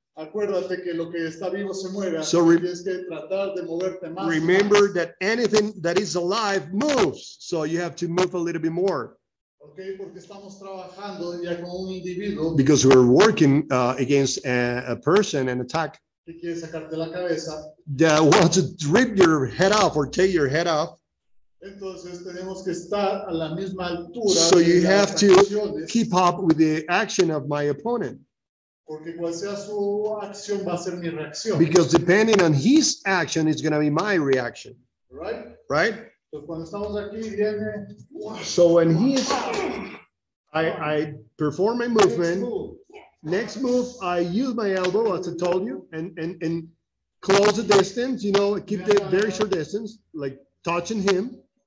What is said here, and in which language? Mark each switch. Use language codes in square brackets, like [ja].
[es] Acuérdate que lo que está vivo se mueve, [en] so [es] tienes que tratar de moverte más. [en] Remember that anything that is alive moves, so you have to move a little bit more. [es] Okay, porque estamos trabajando ya con un individuo. [en] Because we're working against a person, an attack. [es] Que quiere sacarte la cabeza. [en] That wants to rip your head off or take your head off. [es] Entonces, tenemos que estar a la misma altura. [en] So you have to keep up with the action of my opponent. [es] Porque cual sea su acción, va a ser mi reacción. [en] Because depending on his action, it's going to be my reaction. Right? Right? [es] Entonces, cuando estamos aquí, viene... [en] So when he is, I perform my movement. Next move, I use my elbow, as I told you, and close the distance, you know, keep the very short distance, like touching him.